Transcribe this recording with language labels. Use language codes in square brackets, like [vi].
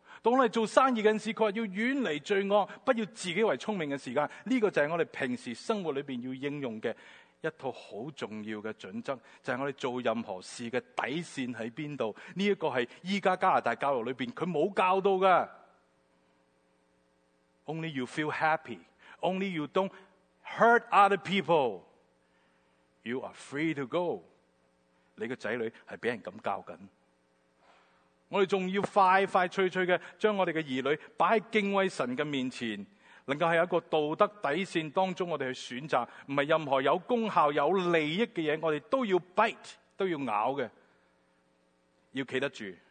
[zh] 当我们做生意的时候，他说要远离罪恶，不要自己为聪明的时间，这个就是我们平时生活里面要应用的一套很重要的准则，就是我们做任何事的底线在哪里。这个是现在加拿大教育里面他没有教到的。 [en] Only you feel happy, only you don't hurt other people, you are free to go。 [zh] 你的仔女是被人这样教的，我们还要快快脆脆的将我们的儿女摆在敬畏神的面前，能够在一个道德底线当中我们去选择，不是任何有功效有利益的东西我们都要 bite， 都要咬的，要站得住。